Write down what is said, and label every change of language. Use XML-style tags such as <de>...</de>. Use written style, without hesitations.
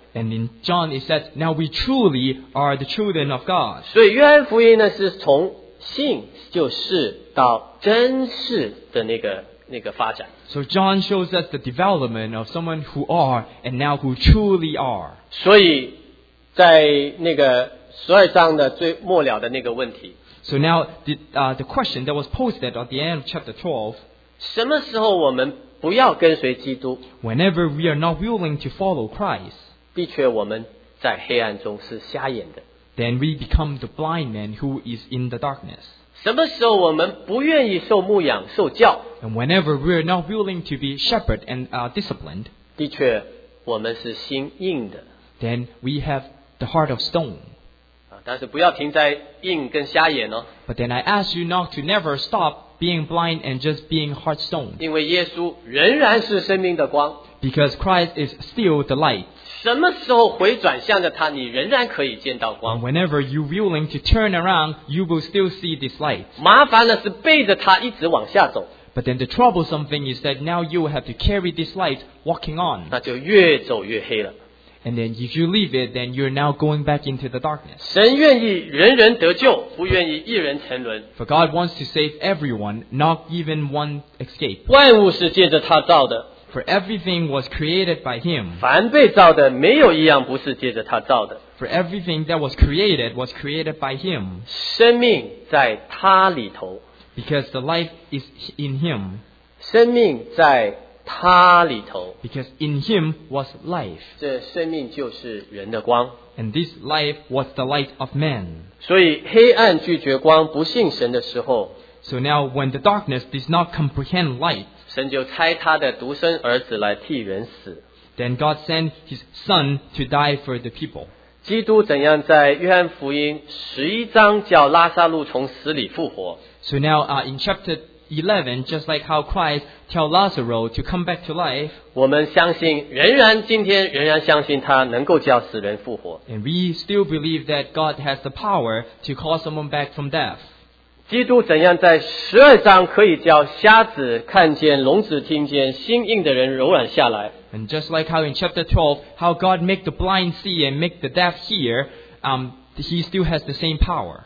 <en>And in John, it says, now we truly are the children of God.</en> <zh>所以约翰福音呢是从信就是到真是的那个发展。</zh> <en>So John shows us the development of someone who are and now who truly are.</en> <zh>所以在那个十二章的最末了的那个问题。</zh> <en>So now the question that was posted at the end of chapter 12.</en> <zh>什么时候我们不要跟随基督</zh> <en>？Whenever we are not willing to follow Christ.</en> <zh>必却我们在黑暗中是瞎眼的。</zh> <en>Then we become the blind man who is in the darkness.</en> <zh>什么时候我们不愿意受牧养受教</zh> <en>？And whenever we are not willing to be shepherd and disciplined.</en> <zh>必却我们是心硬的。</zh> <en>Then we have the heart of stone.</en> <zh>但是不要停在硬跟瞎眼哦。</zh> <en>But then I ask you not to never stop being blind and just being hard stone.</en> <zh>因为耶稣仍然是生命的光。</zh> <en>Because Christ is still the light.</en> <zh>什么时候回转向着他，你仍然可以见到光。</zh> <en>And、whenever you're willing to turn around, you will still see this light.</en> <zh>麻烦的是背着他一直往下走。</zh> <en>But then the troublesome thing is that now you have to carry this light walking on.</en> <zh>那就越走越黑了。</zh> <en>And then if you leave it, then you're now going back into the darkness.</en> <zh>神愿意人人得救，不愿意一人沉沦。</zh> <en>For God wants to save everyone, not even one escape.</en> <zh>万物是借着他造的。</zh> <en>For everything was created by him.</en> <zh>凡被造的没有一样不是借着他造的。</zh> <en>For everything that was created by him.</en> <zh>生命在他里头。</zh> <en>Because the life is in him.</en> <zh>生命在他里头</zh> <en>，because in him was life，</en> <zh>这生命就是人的光</zh> <en>，and this life was the light of man。</en> <zh>所以黑暗拒绝光，不信神的时候</zh> <en>，so now when the darkness does not comprehend light，</en> <zh>神就差他的独生儿子来替人死</zh> <en>，then God sent his son to die for the people。</en> <zh>基督怎样在约翰福音十一章叫拉撒路从死里复活</zh> <en>？So now in chapter 11, just like how Christ tell Lazarus to come back to life,</en> <zh>我们相信仍然今天仍然相信他能够叫死人复活。</zh> <en>And we still believe that God has the power to call someone back from death.</en> <zh>基督怎样在十二章可以叫瞎子看见、聋子听见、心硬的人柔软下来</zh> <en>？And just like how in chapter 12, how God make the blind see and make the deaf hear, He still has the same power.</en>